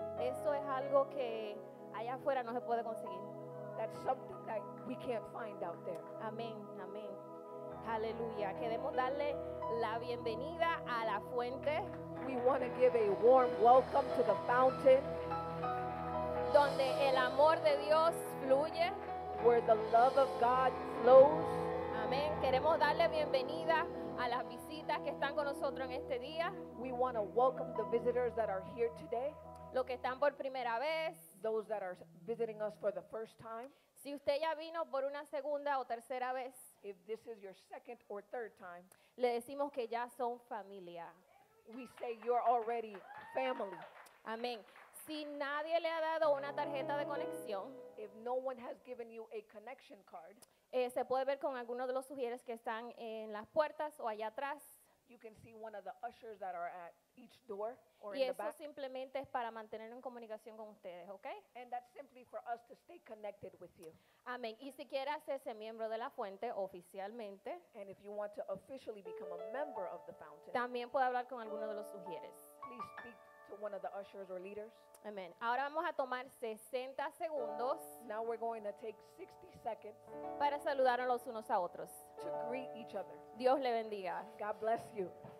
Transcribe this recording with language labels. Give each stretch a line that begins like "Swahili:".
Spanish: Eso es algo que allá afuera no se puede conseguir.
English: That's something that we can't find out there.
Spanish: Amén, amén. Aleluya. Queremos darle la bienvenida a la fuente.
English: We want to give a warm welcome to the fountain.
Spanish: Donde el amor de Dios fluye.
English: Where the love of God flows.
Spanish: Amén. Queremos darle bienvenida a las visitas que están con nosotros en este día.
English: We want to welcome the visitors that are here today.
Spanish: Los que están por primera vez.
English: Those that are visiting us for the first time.
Spanish: Si usted ya vino por una segunda o tercera vez.
English: If this is your second or third time.
Spanish: Le decimos que ya son familia.
English: We say you're already family.
Spanish: Amén. Si nadie le ha dado una tarjeta de conexión.
English: If no one has given you a connection card.
Spanish: Se puede ver con algunos de los sugieres que están en las puertas o allá atrás.
English: You can see one of the ushers that are at each door or
Spanish: y
English: in the back.
Spanish: Y eso simplemente es para mantenernos en comunicación con ustedes, ¿ok?
English: And that's simply for us to stay connected with you.
Spanish: Amén. Y si quieres hacerse miembro de la fuente oficialmente.
English: And if you want to officially become a member of the fountain.
Spanish: También puede hablar con alguno de los sugieres.
English: Please speak to one of the ushers or leaders.
Spanish: Amen. Ahora vamos a tomar 60 segundos.
English: Now we're going to take 60 seconds.
Spanish: Para saludarnos los unos a otros.
English: To greet each other.
Spanish: Dios le bendiga.
English: God bless you.